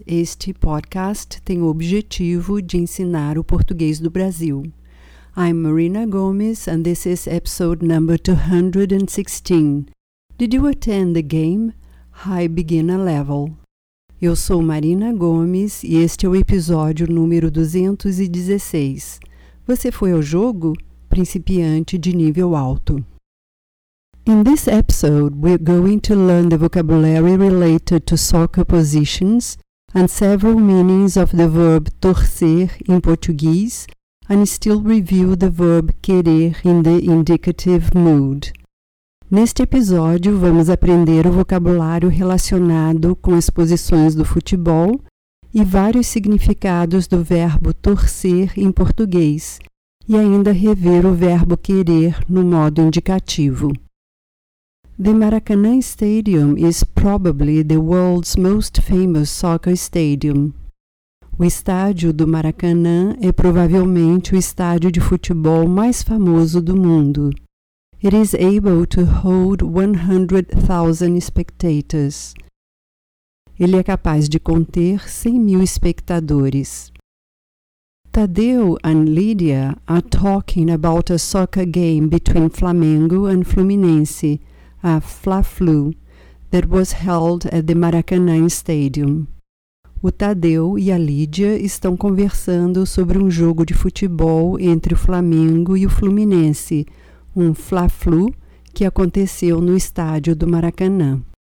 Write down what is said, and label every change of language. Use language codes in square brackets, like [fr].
[pt] Este podcast tem o objetivo de ensinar o português do Brasil. [en] I'm Marina Gomes, and this is episode number 216. Did you attend the game? High Beginner Level. [pt] Eu sou Marina Gomes e este é o episódio número 216. Você foi ao jogo? Principiante de nível alto. [en] In this episode, we're going to learn the vocabulary related to soccer positions and several meanings of the verb torcer in Portuguese and still review the verb querer in the indicative mood. [pt] Neste episódio, vamos aprender o vocabulário relacionado com as posições do futebol e vários significados do verbo torcer em português, e ainda rever o verbo querer no modo indicativo. [en] The Maracanã Stadium is probably the world's most famous soccer stadium. [pt] O estádio do Maracanã é provavelmente o estádio de futebol mais famoso do mundo. [en] It is able to hold 100,000 spectators. [pt] Ele é capaz de conter 100 mil espectadores. [en] Tadeu and Lydia are talking about a soccer game between Flamengo and Fluminense, a Fla-Flu, that was held at the Maracanã Stadium. [pt] O Tadeu e a Lydia estão conversando sobre um jogo de futebol entre o Flamengo e o Fluminense, um Fla-Flu, que aconteceu no estádio do Maracanã.